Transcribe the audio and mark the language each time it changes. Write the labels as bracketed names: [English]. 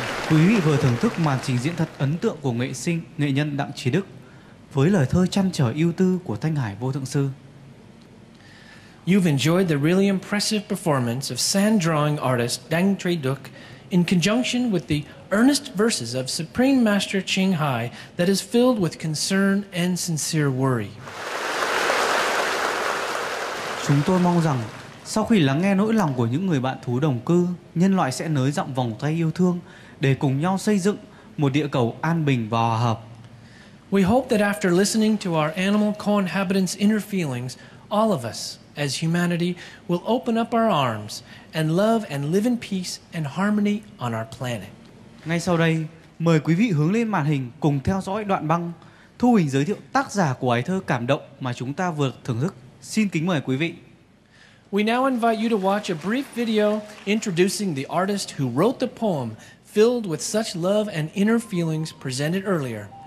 [Vietnamese] Quý vị vừa thưởng thức màn trình diễn thật ấn tượng của nghệ sinh, nghệ nhân Đặng Chí Đức với lời thơ trăn trở ưu tư của Thanh Hải Vô Thượng Sư. [English] You've enjoyed the really impressive performance of sand drawing artist Đặng Chí Đức in conjunction with the earnest verses of Supreme Master Ching Hai that is filled with concern and sincere worry. [Vietnamese] Chúng tôi mong rằng sau khi lắng nghe nỗi lòng của những người bạn thú đồng cư, nhân loại sẽ nới rộng vòng tay yêu thương để cùng nhau xây dựng một địa cầu an bình và hòa hợp. [English] We hope that after listening to our animal cohabitants' inner feelings, all of us as humanity will open up our arms and love and live in peace and harmony on our planet. [Vietnamese] Ngay sau đây, mời quý vị hướng lên màn hình cùng theo dõi đoạn băng thu hình giới thiệu tác giả của bài thơ cảm động mà chúng ta vừa thưởng thức. Xin kính mời quý vị. [English] We now invite you to watch a brief video introducing the artist who wrote the poem filled with such love and inner feelings presented earlier.